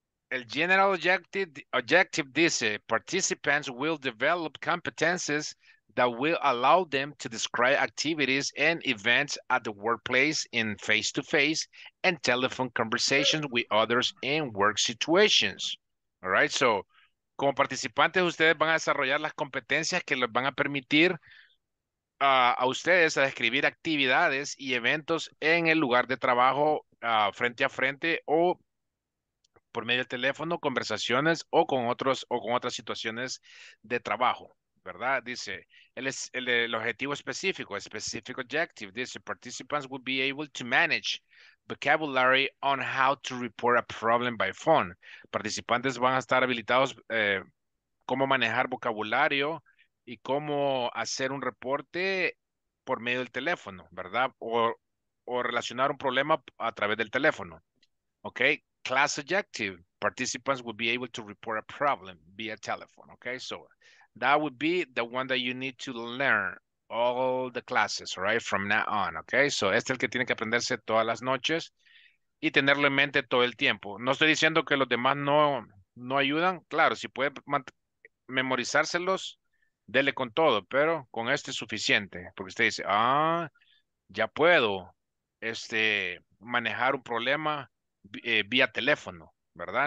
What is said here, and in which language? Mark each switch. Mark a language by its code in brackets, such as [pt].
[en] El general objective dice, participants will develop competencies that will allow them to describe activities and events at the workplace in face-to-face and telephone conversations with others in work situations. All right, so [es] como participantes, ustedes van a desarrollar las competencias que les van a permitir a ustedes a describir actividades y eventos en el lugar de trabajo frente a frente o por medio del teléfono, conversaciones o con otros o con otras situaciones de trabajo, ¿verdad? Dice, el objetivo específico, [en] specific objective, dice, participants will be able to manage vocabulary on how to report a problem by phone. [es] Participantes van a estar habilitados cómo manejar vocabulario y cómo hacer un reporte por medio del teléfono, ¿verdad? O relacionar un problema a través del teléfono, ¿ok? [en] Class objective, participants will be able to report a problem via telephone, okay? So that would be the one that you need to learn all the classes, right, from now on, okay? [es] So este es el que tiene que aprenderse todas las noches y tenerlo en mente todo el tiempo. No estoy diciendo que los demás no ayudan. Claro, si puede memorizárselos, dele con todo, pero con este es suficiente. Porque usted dice, ah, ya puedo manejar un problema vía teléfono, ¿verdad?